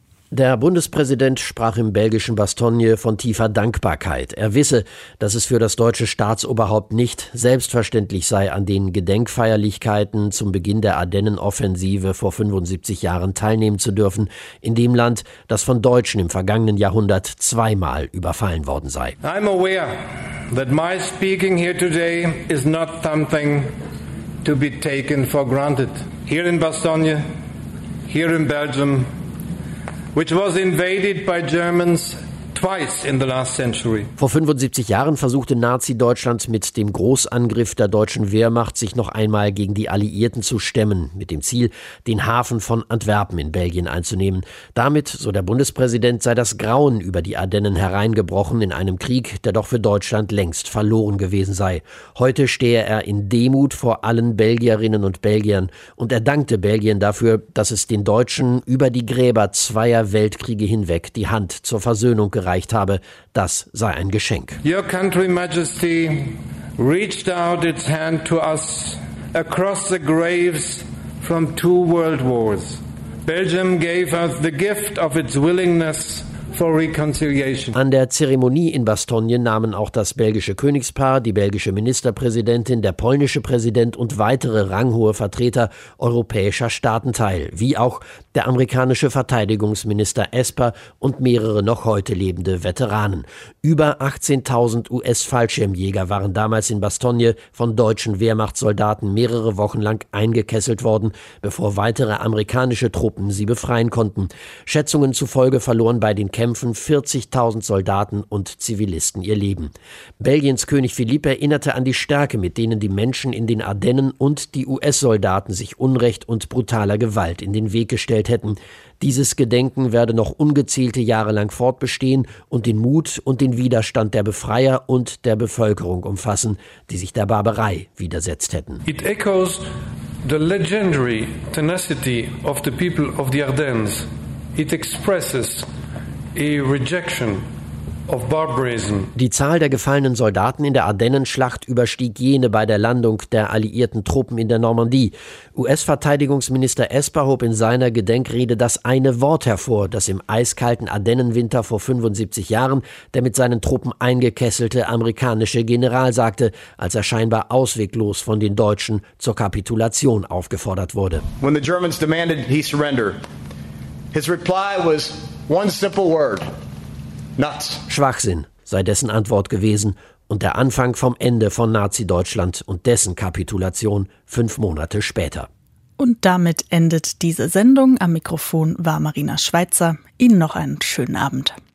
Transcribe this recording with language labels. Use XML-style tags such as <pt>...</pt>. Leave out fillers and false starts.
<de>Der Bundespräsident sprach im belgischen Bastogne von tiefer Dankbarkeit. Er wisse, dass es für das deutsche Staatsoberhaupt nicht selbstverständlich sei, an den Gedenkfeierlichkeiten zum Beginn der Ardennenoffensive vor 75 Jahren teilnehmen zu dürfen, in dem Land, das von Deutschen im vergangenen Jahrhundert zweimal überfallen worden sei.</de> <en>I'm aware that my speaking here today is not something to be taken for granted. Here in Bastogne, here in Belgium, which was invaded by Germans twice in the last century.</en> <de>Vor 75 Jahren versuchte Nazi-Deutschland mit dem Großangriff der deutschen Wehrmacht, sich noch einmal gegen die Alliierten zu stemmen, mit dem Ziel, den Hafen von Antwerpen in Belgien einzunehmen. Damit, so der Bundespräsident, sei das Grauen über die Ardennen hereingebrochen in einem Krieg, der doch für Deutschland längst verloren gewesen sei. Heute stehe er in Demut vor allen Belgierinnen und Belgiern und er dankte Belgien dafür, dass es den Deutschen über die Gräber zweier Weltkriege hinweg die Hand zur Versöhnung gereicht habe, das sei ein Geschenk.</de> <en>Your country, Majesty, reached out its hand to us across the graves from two world wars. Belgium gave us the gift of its willingness for reconciliation.</en> <de>An der Zeremonie in Bastogne nahmen auch das belgische Königspaar, die belgische Ministerpräsidentin, der polnische Präsident und weitere ranghohe Vertreter europäischer Staaten teil, wie auch der amerikanische Verteidigungsminister Esper und mehrere noch heute lebende Veteranen. Über 18.000 US-Fallschirmjäger waren damals in Bastogne von deutschen Wehrmachtssoldaten mehrere Wochen lang eingekesselt worden, bevor weitere amerikanische Truppen sie befreien konnten. Schätzungen zufolge verloren bei den Kämpfen 40.000 Soldaten und Zivilisten ihr Leben. Belgiens König Philipp erinnerte an die Stärke, mit denen die Menschen in den Ardennen und die US-Soldaten sich Unrecht und brutaler Gewalt in den Weg gestellt gefeiert hätten. Dieses Gedenken werde noch ungezählte Jahre lang fortbestehen und den Mut und den Widerstand der Befreier und der Bevölkerung umfassen, die sich der Barbarei widersetzt hätten.</de> <en>It echoes the legendary tenacity of the people of the Ardennes. It expresses a rejection of barbarism.</en> <de>Die Zahl der gefallenen Soldaten in der Ardennenschlacht überstieg jene bei der Landung der alliierten Truppen in der Normandie. US-Verteidigungsminister Esper hob in seiner Gedenkrede das eine Wort hervor, das im eiskalten Ardennenwinter vor 75 Jahren der mit seinen Truppen eingekesselte amerikanische General sagte, als er scheinbar ausweglos von den Deutschen zur Kapitulation aufgefordert wurde.</de> <en>When the Germans demanded he surrender, his reply was one simple word. Nuts.</en> <de>Schwachsinn sei dessen Antwort gewesen und der Anfang vom Ende von Nazi-Deutschland und dessen Kapitulation 5 Monate später. Und damit endet diese Sendung. Am Mikrofon war Marina Schweizer. Ihnen noch einen schönen Abend.</de>